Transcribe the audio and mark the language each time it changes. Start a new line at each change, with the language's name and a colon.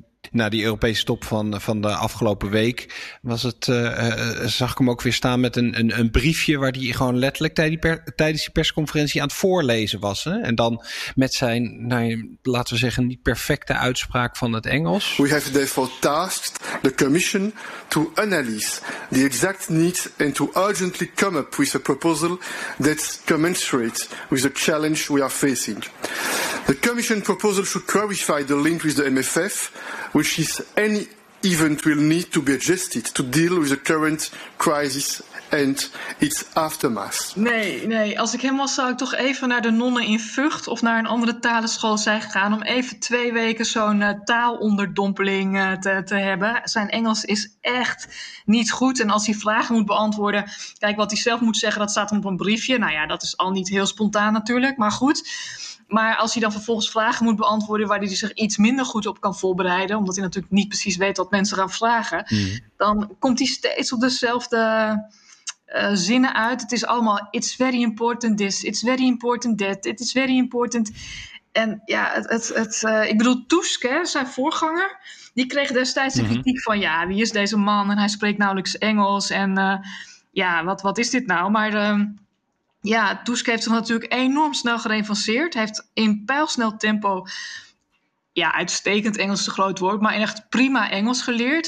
Dutch: Na die Europese top van de afgelopen week was het, zag ik hem ook weer staan met een briefje waar hij gewoon letterlijk tijdens die persconferentie aan het voorlezen was. Hè? En dan met zijn, laten we zeggen, niet perfecte uitspraak van het Engels.
English: We have therefore tasked the commission to analyse the exact needs and to urgently come up with a proposal that's commensurate with the challenge we are facing. The commission proposal should clarify the link with the MFF, which is any event will need to be adjusted to deal with the current crisis and its aftermath.
Dutch: Nee. Als ik hem was, zou ik toch even naar de nonnen in Vught of naar een andere talenschool zijn gegaan om even 2 weken zo'n taalonderdompeling te hebben. Zijn Engels is echt niet goed. En als hij vragen moet beantwoorden, kijk, wat hij zelf moet zeggen, dat staat hem op een briefje. Dat is al niet heel spontaan natuurlijk, maar goed. Maar als hij dan vervolgens vragen moet beantwoorden waar hij zich iets minder goed op kan voorbereiden, omdat hij natuurlijk niet precies weet wat mensen gaan vragen, dan komt hij steeds op dezelfde zinnen uit. Het is allemaal,
English: it's very important this, it's very important that, it is very important.
Dutch: En ik bedoel, Tusk, hè, zijn voorganger, die kreeg destijds de kritiek van, wie is deze man en hij spreekt nauwelijks Engels en wat is dit nou? Maar Tusk heeft zich natuurlijk enorm snel gereinvanceerd. Heeft in pijlsnel tempo, uitstekend Engels te groot woord, maar echt prima Engels geleerd.